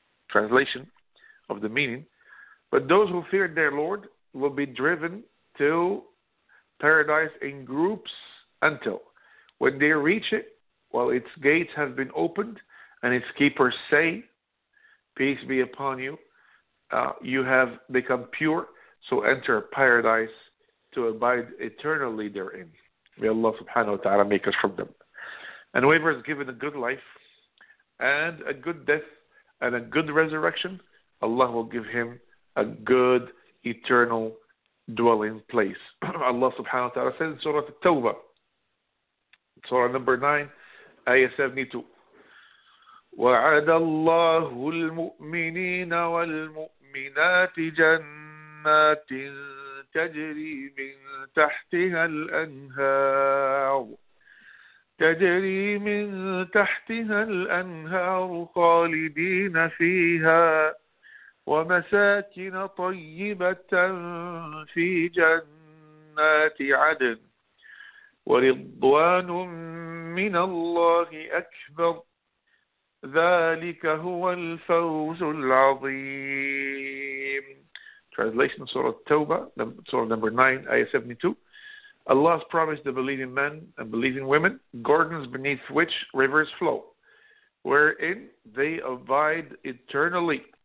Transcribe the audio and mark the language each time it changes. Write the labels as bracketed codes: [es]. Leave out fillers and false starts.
[en] Translation of the meaning: but those who feared their Lord will be driven to paradise in groups until when they reach it, while its gates have been opened and its keepers say, peace be upon you, you have become pure, so enter paradise to abide eternally therein. May Allah subhanahu wa ta'ala make us from them. And whoever is given a good life and a good death and a good resurrection, Allah will give him a good eternal dwelling place. Allah subhanahu wa ta'ala says in Surah At-Tawbah, Surah number 9, Ayah 72, [ar] وَعَدَ اللَّهُ الْمُؤْمِنِينَ وَالْمُؤْمِنِينَ جنات تجري من تحتها الأنهار خالدين فيها ومساكن طيبة في جنات عدن ورضوان من الله أكبر ذلك هو الفوز العظيم. [en] Translation of Surah Tawbah, Surah number 9, Ayah 72. Allah has promised the believing men and believing women gardens beneath which rivers flow, wherein they abide eternally.